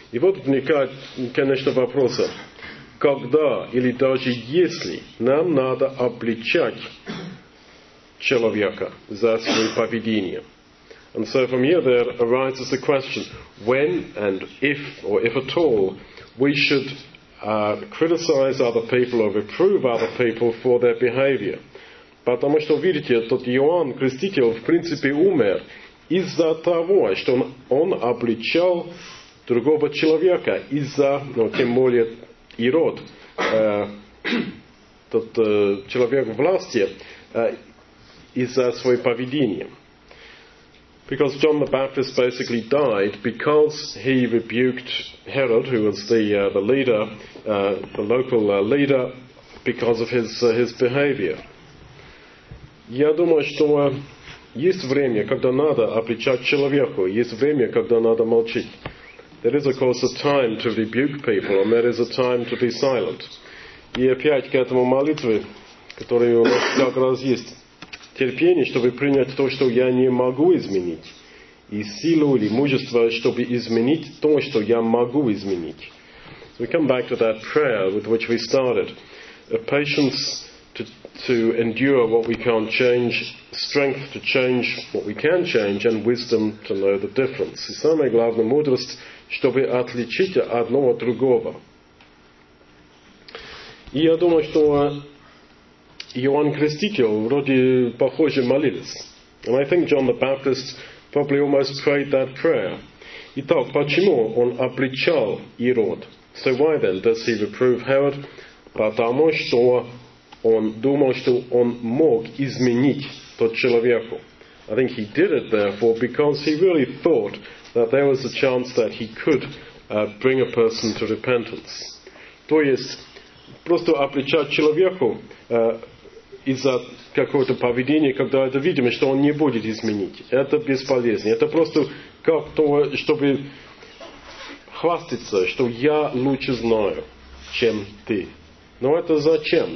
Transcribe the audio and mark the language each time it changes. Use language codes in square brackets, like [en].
[ru] И вот вникает, конечно, вопрос. Когда или даже если нам надо обличать человека за свое поведение. [en] And so from here there arises the question, when and if, or if at all, we should criticize other people or reprove other people for their behavior. [ru] Потому что, видите, тот Иоанн Креститель в принципе умер из-за того, что он обличал другого человека, из-за, ну, тем более, Ирод, тот человек власти, из-за своего поведения. [en] Because John the Baptist basically died because he rebuked Herod, who was the leader, the local leader, because of his behavior. [ru] Я думаю, что есть время, когда надо обличать человеку, есть время, когда надо молчать. [en] There is, of course, a time to rebuke people, and there is a time to be silent. [ru] И опять к этому молитве, которая у нас как раз есть терпение, чтобы принять то, что я не могу изменить, и силу или мужество, чтобы изменить то, что я могу изменить. [en] So we come back to that prayer with which we started. A patience to endure what we can't change, strength to change what we can change, and wisdom to know the difference. [ru] И самое главное, мудрость, чтобы отличить одно от другого. И я думаю, что Иоанн Креститель вроде похоже молились. [en] And I think John the Baptist probably almost prayed that prayer. [ru] Итак, почему он обличал Ирод? [en] So why then does he reprove Herod? [ru] Потому что он думал, что он мог изменить тот человеку. [en] I think he did it therefore because he really thought that there was a chance that he could bring a person to repentance. [ru] То есть, просто обличать человеку из-за какого-то поведения, когда это видимо, что он не будет изменить. Это бесполезно. Это просто как то, чтобы хвастаться, что я лучше знаю, чем ты. Но это зачем?